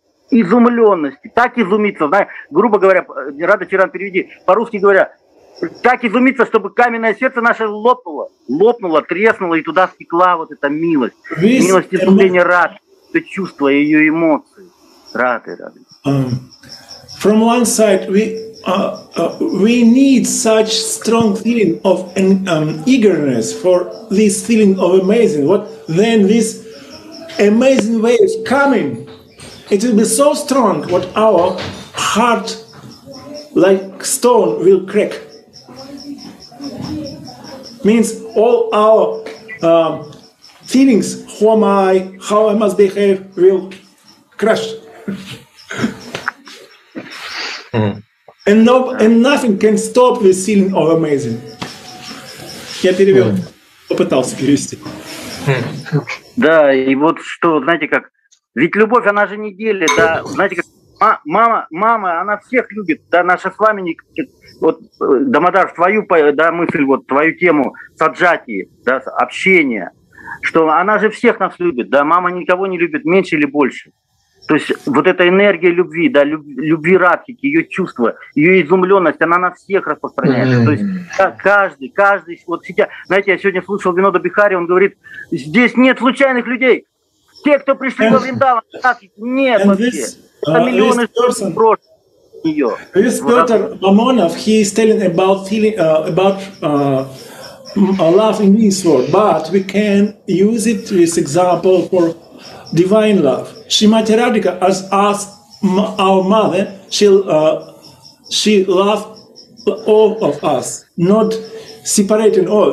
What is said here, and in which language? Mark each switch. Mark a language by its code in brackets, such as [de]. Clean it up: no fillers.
[ru] изумленности, так изумиться, да, грубо говоря, Рада Чиран, переведи, по-русски говоря, так изумиться, чтобы каменное сердце наше лопнуло, треснуло, и туда стекла вот эта милость, this милость изумления Рады, это чувство, ее эмоции, Рады. [en] From one side, we need such strong feeling of eagerness for this feeling of amazing, what then this amazing waves coming. It will be so strong what our heart like stone will crack. Means all our feelings, who am I, how I must behave, will crash. And nothing can stop this feeling of amazing. [ru] Я перевел. Попытался перевести. Да, и вот что, знаете как, ведь любовь, она же не делит, да, знаете как, мама, она всех любит, да, наша с вами, не, вот, Дамодар, твою, да, мысль, вот, твою тему саджати, да, общения, что она же всех нас любит, да, мама никого не любит, меньше или больше, то есть вот эта энергия любви, да, любви Радхики, ее чувства, ее изумленность, она на всех распространяется, то есть каждый, вот сидя, знаете, я сегодня слушал Винода Бихари, он говорит, здесь нет случайных людей. Те, кто пришли во Вриндаван, нет вообще. Это миллионы [en] person, [ru] нее. [en] This daughter Mamonov, he is telling about feeling about love in this world, but we can use it as example for divine love. Shrimati Radhika has asked our mother, she loved all of us, not separating all.